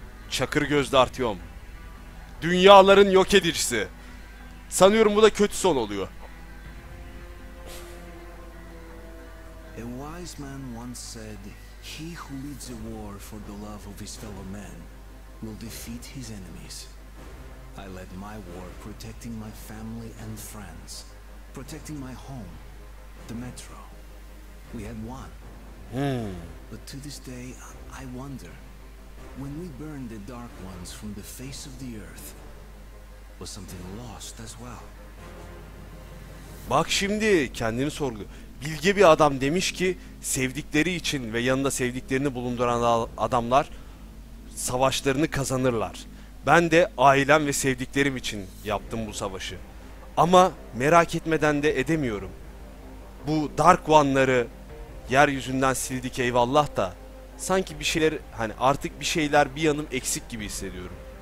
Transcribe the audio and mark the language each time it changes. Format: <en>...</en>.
<tr>Çakır gözlü Artyom. Dünyaların yok edicisi. Sanıyorum bu da kötü son oluyor.</tr> <en>A wise man once said, he who leads a war for the love of his fellow men will defeat his enemies. I led my war protecting my family and friends, protecting my home, the Metro. We had won. But to this day, I wonder, when we burned the Dark Ones from the face of the earth, was something lost as well?</en> <tr>Bak şimdi kendini sorgu. Bilge bir adam demiş ki sevdikleri için ve yanında sevdiklerini bulunduran adamlar savaşlarını kazanırlar. Ben de ailem ve sevdiklerim için yaptım bu savaşı. Ama merak etmeden de edemiyorum. Bu Dark One'ları yeryüzünden sildik eyvallah da sanki bir şeyler hani artık bir şeyler bir yanım eksik gibi hissediyorum.</tr>